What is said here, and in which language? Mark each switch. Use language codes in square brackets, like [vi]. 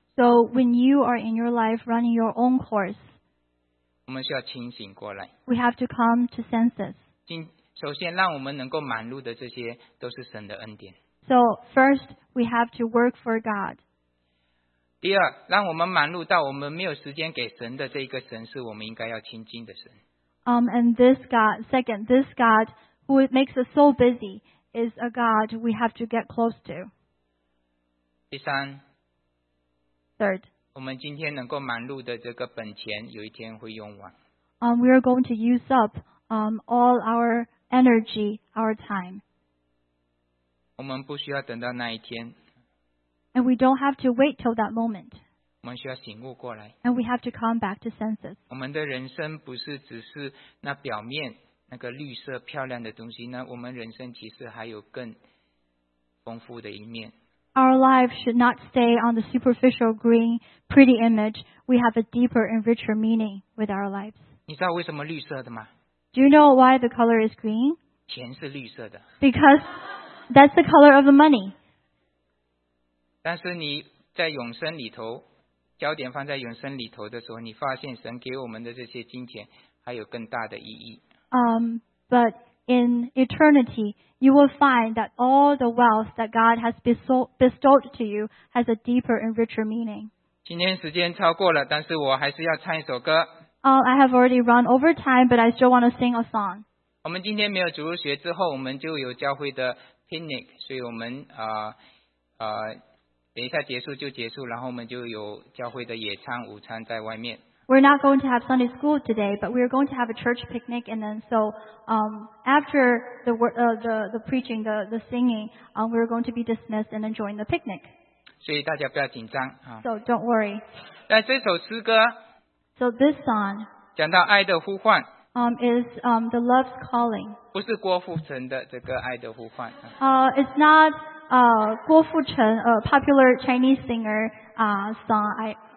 [en] So when you are in your life running your own course, [zh] 我们需要清醒过来。 [en] We have to come to senses. [zh] 首先让我们能够忙碌的这些都是神的恩典。 [en] So first, we have to work for God. [zh] 第二，让我们忙碌到我们没有时间给神的这个神是我们应该要亲近的神。 [en] And this God, second, this God who makes us so busy is a God we have to get close to. [zh] 第三 [en] ，third， [zh] 我们今天能够忙碌的这个本钱有一天会用完。 [en] We are going to use up all our energy, our time. [zh] 我们不需要等到那一天。 [en] And we don't have to wait till that moment. [zh] 我们需要醒悟过来。 [en] And we have to come back to senses. [zh] 我们的人生不是只是那表面那个绿色漂亮的东西，那我们人生其实还有更丰富的一面。 [en] Our life should not stay on the superficial green, pretty image. We have a deeper and richer meaning with our lives. [zh] 你知道为什么绿色的吗？ [en] Do you know why the color is green? [zh] 钱是绿色的。 [en] Because that's the color of the money. [zh] 但是你在永生里头，焦点放在永生里头的时候，你发现神给我们的这些金钱还有更大的意义。 [en] But in eternity, you will find that all the wealth that God has bestowed to you has a deeper and richer meaning. [zh] 今天时间超过了，但是我还是要唱一首歌。 [en] I have already run over time, but I still want to sing a song. [zh] 我们今天没有主日学之后，我们就有教会的 picnic， 所以我们等一下结束就结束，然后我们就有教会的野餐午餐在外面。 [en] We're not going to have Sunday school today, but we're going to have a church picnic, and then so after the preaching, the singing, we're going to be dismissed and then join the picnic. [zh] 所以大家不要紧张啊。 [en] So don't worry. [zh] 那这首诗歌。 [en] So this song. [zh] 讲到爱的呼唤。 [en] Is the love's calling. [zh] 不是郭富城的这个爱的呼唤。 [en] It's not 郭富城 a popular Chinese singer song.